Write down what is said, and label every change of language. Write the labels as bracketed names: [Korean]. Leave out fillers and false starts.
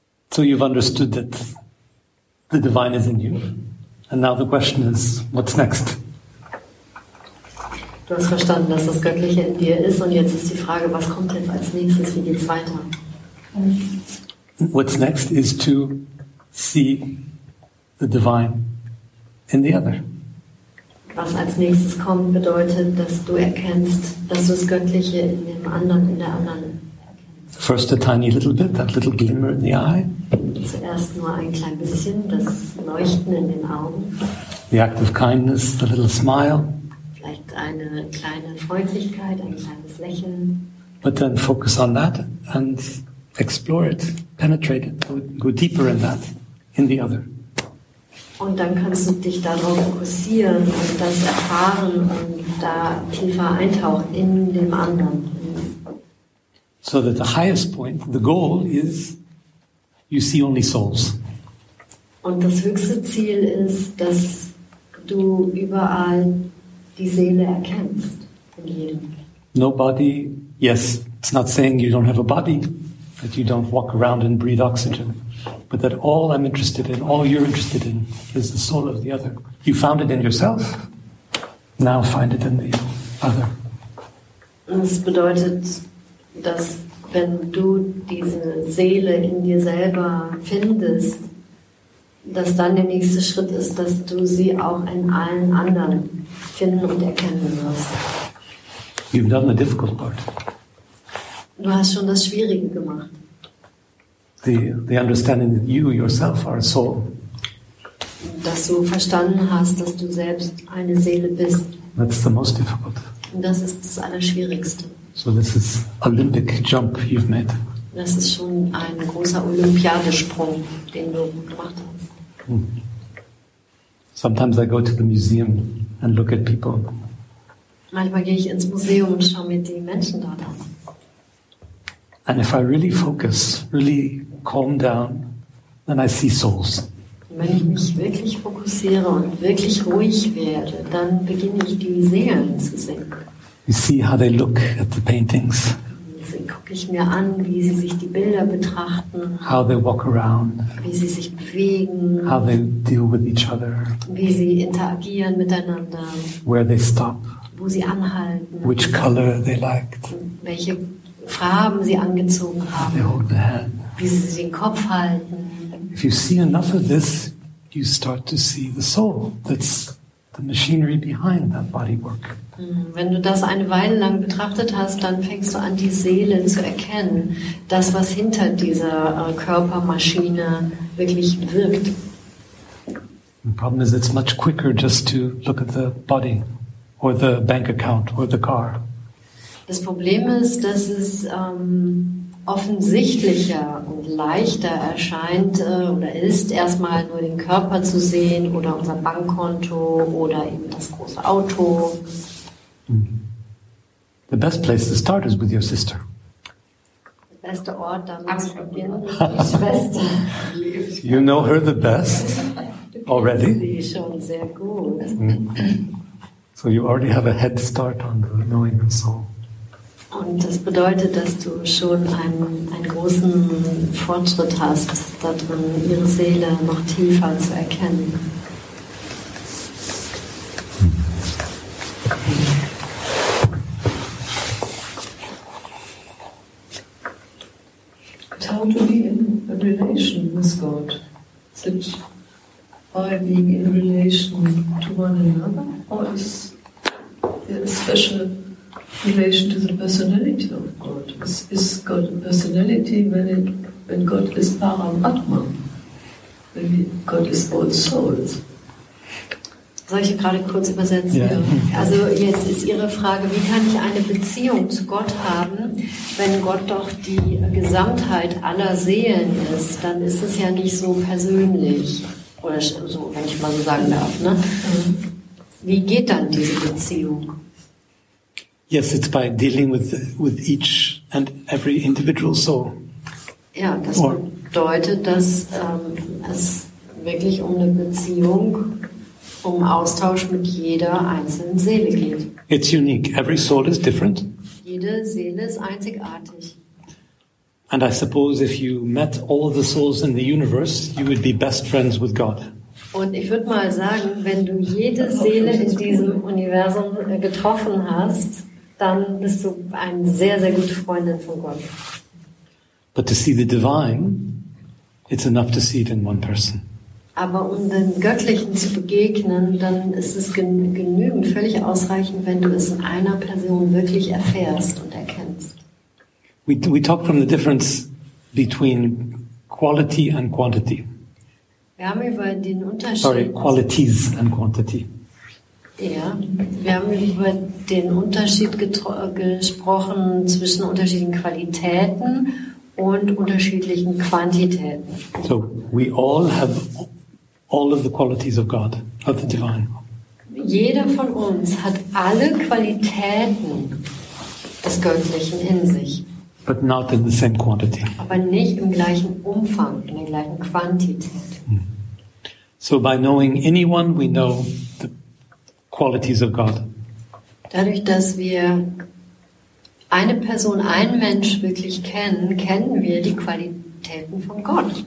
[English] So you've understood that the divine is in you. And now the question is, what's next? [German] Du hast verstanden, dass das Göttliche in dir ist, und jetzt ist die Frage, was kommt jetzt als nächstes, wie geht's weiter? [English] What's next is to see the divine in the other. [German] Was als nächstes kommt, bedeutet, dass du erkennst, dass du das Göttliche in dem anderen, in der anderen erkennst. [English] First a tiny little bit, that little glimmer in the eye. [German] Zuerst nur ein klein bisschen, das Leuchten in den Augen. [English] The act of kindness, the little smile. [German] Vielleicht eine kleine Freundlichkeit, ein kleines Lächeln. [English] But then focus on that and explore it, penetrate it, go deeper in that, in the other. [German] Und dann kannst du dich darauf fokussieren und das erfahren und da tiefer eintauchen in dem anderen. [English] So that the highest point, the goal is, you see only souls. [German] Und das höchste Ziel ist, dass du überall die Seele erkennst, in jedem. [English] No body, yes, it's not saying you don't have a body, that you don't walk around and breathe oxygen, but that all I'm interested in, all you're interested in, is the soul of the other. You found it in yourself, now find it in the other. [German] Das bedeutet, dass wenn du diese Seele in dir selber findest, dass dann der nächste Schritt ist, dass du sie auch in allen anderen finden und erkennen wirst. [English] You've done the difficult part. [German] Du hast schon das Schwierige gemacht. [English] The understanding that you yourself are a soul. [German] Dass du verstanden hast, dass du selbst eine Seele bist. [English] That's the most difficult. [German] Und das ist das Allerschwierigste. [English] So this is Olympic jump you've made. [German] Das ist schon ein großer Olympiadesprung, den du gemacht hast. [English] Sometimes I go to the museum and look at people. [German] Manchmal gehe ich ins Museum und schaue mir die Menschen dort an. [English] And if I really focus, really calm down, then I see souls. [German] Wenn ich mich wirklich fokussiere und wirklich ruhig werde, dann beginne ich die Seelen zu sehen. [English] You see how they look at the paintings. [German] Also gucke ich mir an, wie sie sich die Bilder betrachten. [English] How they walk around. [German] Wie sie sich bewegen. [English] How they deal with each other. [German] Wie sie interagieren miteinander. [English] Where they stop. [German] Wo sie anhalten. [English] Which color they liked. [German] Welche Farben sie angezogen haben. [English] They hold the hand. [German] Wie sie den Kopf halten. [English] If you see enough of this, you start to see the soul. That's the machinery behind that bodywork. [German] Wenn du das eine Weile lang betrachtet hast, dann fängst du an, die Seele zu erkennen. Das, was hinter dieser Körpermaschine wirklich wirkt. [English] The problem is, it's much quicker just to look at the body or the bank account or the car. [German] Das Problem ist, dass es offensichtlicher und leichter erscheint oder ist, erstmal nur den Körper zu sehen oder unser Bankkonto oder eben das große Auto. [English] The best place to start is with your sister. [German] Der beste Ort, da muss ich beginnen, die Schwester. [English] You know her the best already. [German] Sie ist schon sehr gut. [English] So you already have a head start on the knowing the soul. [German] Und das bedeutet, dass du schon einen großen Fortschritt hast, darin ihre Seele noch tiefer zu erkennen. [English] But how to be in a relation with God? Is it by being in relation to one another? Or is there a special relation to the personality of God? Is God a personality when God is Paramatma? Maybe God is all souls. [German] Soll ich gerade kurz übersetzen? [English] Yeah. [German] Also jetzt ist Ihre Frage, wie kann ich eine Beziehung zu Gott haben, wenn Gott doch die Gesamtheit aller Seelen ist? Dann ist es ja nicht so persönlich. oder so, wenn ich mal so sagen darf, ne? Wie geht dann diese Beziehung? [English] Yes, it's by dealing with each and every individual soul. [German] Ja, das bedeutet, dass es wirklich um eine Beziehung, um Austausch mit jeder einzelnen Seele geht. [English] It's unique. Every soul is different. [German] Jede Seele ist einzigartig. [English] And I suppose if you met all the souls in the universe, you would be best friends with God. [German] Und ich würde mal sagen, wenn du jede Seele in diesem Universum getroffen hast, dann bist du eine sehr, sehr gute Freundin von Gott. [English] But to see the divine, it's enough to see it in one person. [German] Aber um den Göttlichen zu begegnen, dann ist es genügend, völlig ausreichend, wenn du es in einer Person wirklich erfährst und erkennst. [English] We talk from the difference between quality and quantity. [German] Wir haben über den Unterschied. [English] Sorry, qualities and quantity. [German] Ja, wir haben über den Unterschied gesprochen zwischen unterschiedlichen Qualitäten und unterschiedlichen Quantitäten. [English] So, we all have all of the qualities of God, of the divine. [German] Jeder von uns hat alle Qualitäten des Göttlichen in sich. [English] But not in the same quantity. [German] Aber nicht im gleichen Umfang, in der gleichen Quantität. [English] So by knowing anyone, we know the qualities of God. [German] Dadurch, dass wir eine Person, einen Mensch wirklich kennen, kennen wir die Qualitäten von Gott.